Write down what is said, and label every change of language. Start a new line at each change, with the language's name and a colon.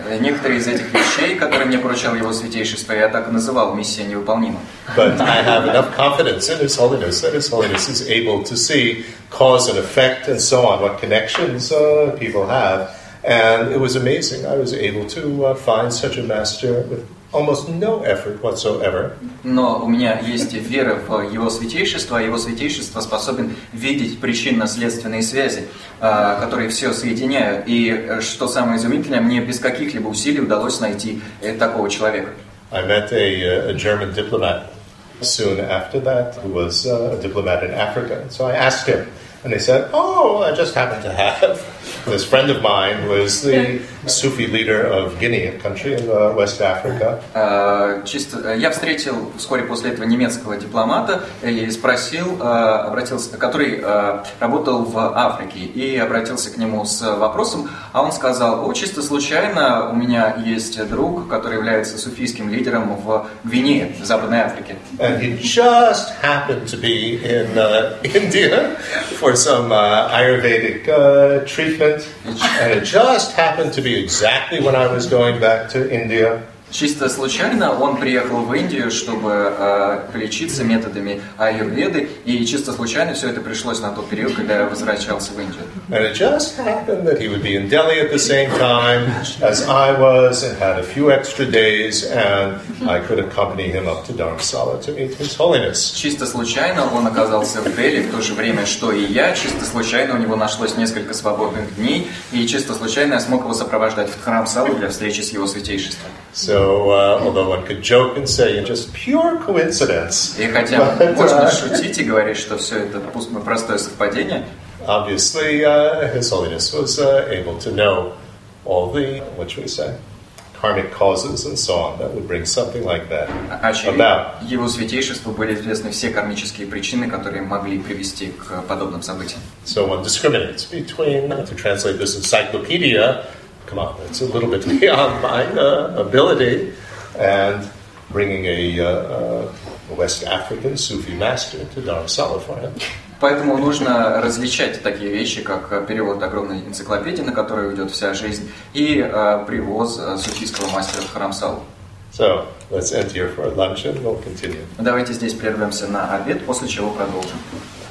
Russian: Некоторые из этих вещей, которые мне поручал его святейшество, я так и называл миссия невыполнима.
English: But I have enough confidence in His Holiness that His Holiness is able to see cause and effect and so on, what connections people have. And it was amazing. I was able to find such a master with almost no effort whatsoever.
Russian: Но у меня есть вера в его святейшество, и его святейшество способен видеть причинно-следственные связи, которые все соединяют. И что самое изумительное, мне без каких-либо усилий удалось найти такого человека.
English: I met a German diplomat soon after that, who was a diplomat in Africa. So I asked him, and he said, "Oh, I just happened to have this friend of mine who is the Sufi leader of Guinea, a country in West Africa."
Russian: Я встретил вскоре после этого немецкого дипломата и спросил, обратился, который работал в Африке, и обратился к нему с вопросом, а он сказал: "О, чисто случайно у меня есть друг, который является суфийским лидером в Гвинее, в Западной Африке."
English: And he just happened to be in India for some Ayurvedic treatment, and it just happened to be exactly when I was going back to India.
Russian: Чисто случайно он приехал в Индию, чтобы лечиться методами Аюрведы, и чисто случайно все это пришлось на тот период, когда я возвращался в Индию.
English: And it just happened that he would be in Delhi at the same time as I was, and had a few extra days, and I could accompany him up to Dharamsala to meet His Holiness.
Russian: Чисто случайно он оказался в Дели в то же время, что и я. Чисто случайно у него нашлось несколько свободных дней, и чисто случайно я смог его сопровождать в Дхармсалу для встречи с его святейшеством.
English: So, although one could joke and say, just pure coincidence.
Russian: И хотя можно шутить и говорить, что все это простое совпадение.
English: Obviously, His Holiness was able to know all the, what should we say, karmic causes and so on that would bring something like that about.
Russian: Его святейшеству были известны все кармические причины, которые могли привести к подобным событиям.
English: So one discriminates between, to translate this encyclopedia, come on, it's a little bit beyond my ability, and bringing a West African Sufi master to Dharamsala for him.
Russian: Поэтому нужно различать такие вещи, как перевод огромной энциклопедии, на которую уйдет вся жизнь, и привоз суфийского мастера в Дхармсалу.
English: So, let's end here for lunch and we'll continue.
Russian: Давайте здесь прервемся на обед, после чего продолжим.